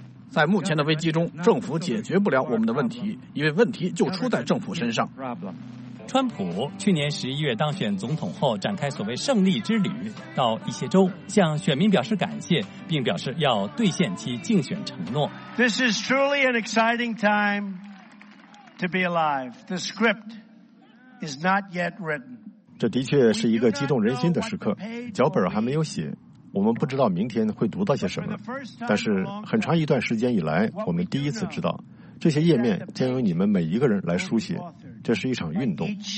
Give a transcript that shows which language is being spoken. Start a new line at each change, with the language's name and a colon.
Chinese: 在目前的危机中，政府解决不了我们的问题，因为问题就出在政府身上。川普去年11月当选总统后展开所谓胜利之旅，到一些州向选民表示感谢，并表示要兑现其竞选承诺。
English: This is truly an exciting time to be alive. The script is not yet written.
Chinese: 这的确是一个激动人心的时刻，脚本还没有写，我们不知道明天会读到些什么，但是很长一段时间以来，我们第一次知道，这些页面将由你们每一个人来书写，这是一场运动。